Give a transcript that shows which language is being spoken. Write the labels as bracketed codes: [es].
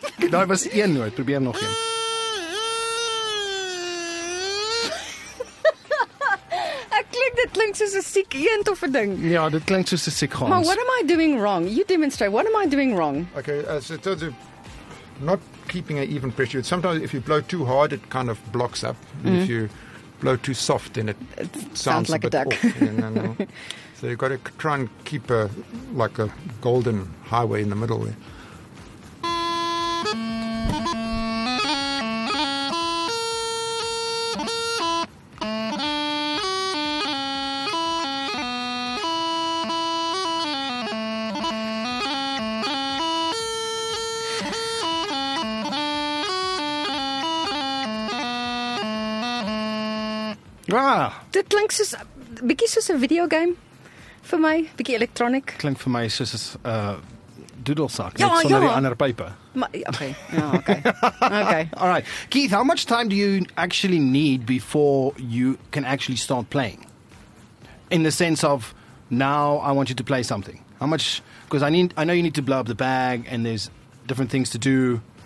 [af] Daar was een nooit, probeer nog een. Dit klink soos 'n siek eend of 'n ding. Ja, dit klink soos 'n siek gans. [en] Maar what am I doing wrong? You demonstrate. What am I doing wrong? Okay, so it turns out not keeping an even pressure. Sometimes if you blow too hard, it kind of blocks up. Mm-hmm. If you blow too soft, then it sounds like a duck. So you've got to try and keep a golden highway in the middle there. [af] Dit klink soos bietjie soos 'n video game vir my, bietjie electronic. Klink vir my soos 'n doodlesak, ja, net sonder die ander pipe. [en] Okay. All right. Keith, how much time do you actually need before you can actually start playing? In the sense of now I want you to play something. How much, because I know you need to blow up the bag and there's different things to do.